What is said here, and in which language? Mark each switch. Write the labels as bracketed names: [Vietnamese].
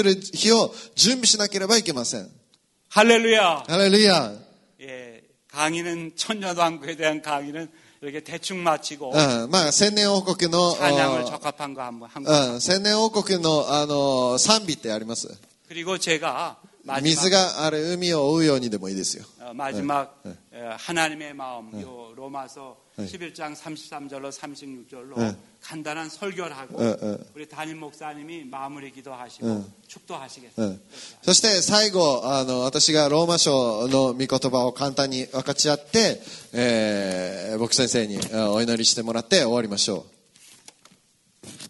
[Japanese] 民族的に本当に国家的にそのイスラエルに感謝しその千年王国が来る日を準備しなければいけません。 [Korean] 할렐루야. 할렐루야. 예, 강의는 천년 왕국에 대한 강의는 이렇게 대충 마치고. [Japanese] 千年王国の [Korean] 찬양을 적합한 거 한번. [Japanese] 千年王国のあの賛美ってあります。 [Korean] 그리고 제가 [Japanese] 水がある海を覆うようにでもいいですよ。そして最後あの私がローマ書の御言葉を簡単に分かち合って、牧先生にお祈りしてもらって終わりましょう。